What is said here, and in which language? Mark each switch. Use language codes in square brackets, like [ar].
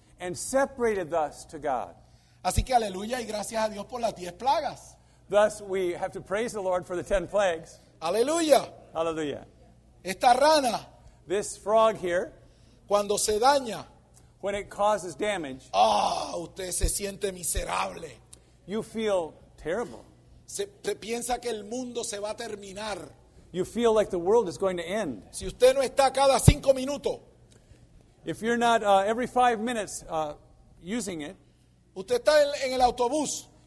[en] And separated thus to God. [es] Así que aleluya y gracias a Dios por las 10 plagas. [en] Thus we have to praise the Lord for the 10 plagues. [es] Aleluya. Aleluya. Esta rana, [en] this frog here, [es] cuando se daña, [en] when it causes damage, [es] usted se siente miserable. [en] You feel terrible. [es] Se piensa que el mundo se va a terminar. [en] You feel like the world is going to end. [es] Si usted no está cada 5 minutos, [en] if you're not every 5 minutes using it, [es] usted está en el autobús,